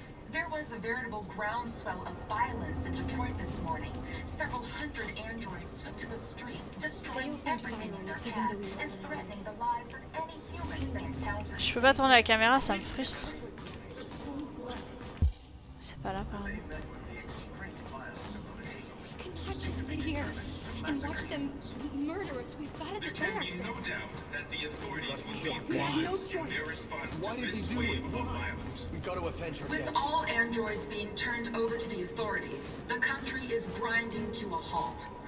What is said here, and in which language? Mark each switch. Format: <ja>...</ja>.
<en>There was a veritable groundswell of violence in Detroit this morning. Several hundred androids took to the streets, destroying everything in their path and threatening the lives of any humans they encountered.</en> <fr>Je peux pas tourner la caméra, ça me frustre. C'est pas là, pardon.</fr> <en>We cannot just sit here and watch them murder us. We've got to defend ourselves. There can be no doubt that the authorities will be wise in their response to this wave of violence. We've got to avenge our death. With all androids being turned over to the authorities, the country is grinding to a halt.</en>